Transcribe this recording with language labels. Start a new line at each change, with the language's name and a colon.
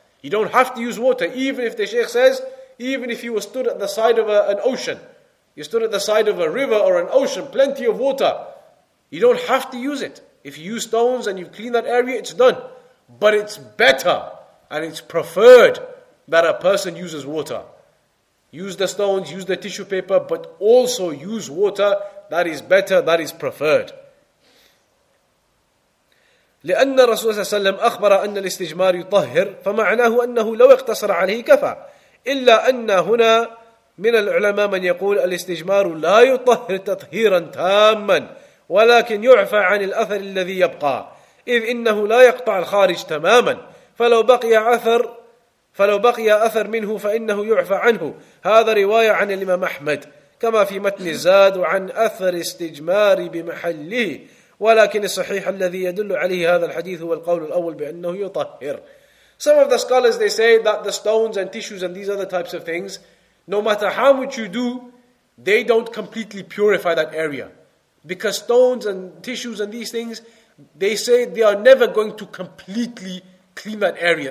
English: You don't have to use water. Even if the Shaykh says, even if you were stood at the side of an ocean, you stood at the side of a river or an ocean, plenty of water, you don't have to use it. If you use stones and you clean that area, it's done. But it's better and it's preferred that a person uses water. Use the stones, use the tissue paper, but also use water. That is better, that is preferred.
Arabic: لأن رسول الله صلى الله عليه وسلم أخبر أن الاستجمار يطهر فمعناه أنه لو اقتصر عليه كفى إلا أن هنا من العلماء من يقول الاستجمار لا يطهر تطهيرا تاما ولكن يعفى عن الأثر الذي يبقى إذ إنه لا يقطع الخارج تماما فلو بقي أثر منه فإنه يعفى عنه. هذا رواية عن الإمام أحمد كما في متن الزاد وعن أثر استجمار بمحله ولكن الصحيح الذي يدل عليه هذا الحديث هو القول الأول بأنه يطهر.
English: Some of the scholars, they say that the stones and tissues and these other types of things, no matter how much you do, they don't completely purify that area. Because stones and tissues and these things, they say they are never going to completely clean that area.